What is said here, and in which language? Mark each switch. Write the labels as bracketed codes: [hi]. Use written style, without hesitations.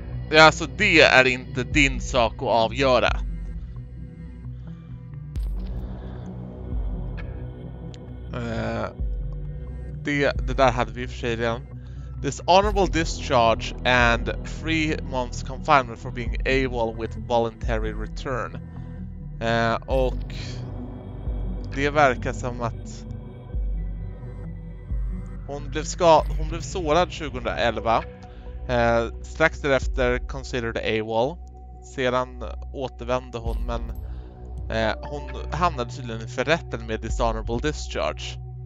[sv] Ja, alltså det är inte din sak att avgöra. Det där hade vi i och för sig redan. [en] dishonorable discharge and 3 months confinement for being AWOL with voluntary return. [sv] Och det verkar som att hon blev sårad 2011. Strax därefter [en] considered AWOL. [sv] Sedan återvände hon, men hon hamnade tydligen i förrätten med [en] dishonorable discharge.